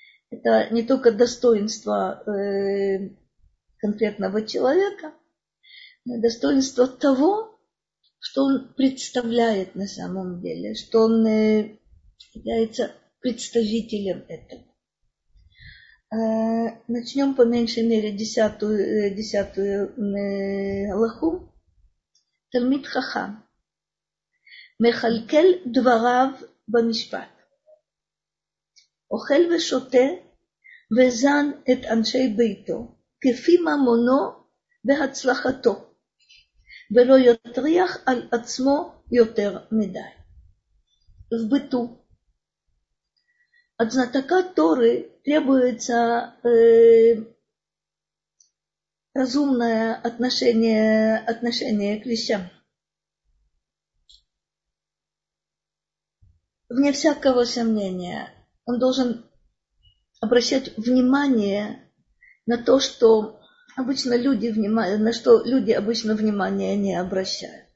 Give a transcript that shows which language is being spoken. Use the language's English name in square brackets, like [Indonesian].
[Russian] Это не только достоинство конкретного человека, но и достоинство того, что он представляет на самом деле, что он является представителем этого. Начнем по меньшей мере десятую галаху. Талмид хахам. [Hebrew] Мехалькель дварав бамишпат. Охель вешоте. וזן את אנשי ביתו, כפי ממונו והצלחתו, ולא יטריח על עצמו יותר מדי. [Russian] В быту. От знатока Торы требуется разумное отношение к вещам. Вне всякого сомнения, он должен обращать внимание на то, что обычно люди внимание, на что люди обычно внимание не обращают.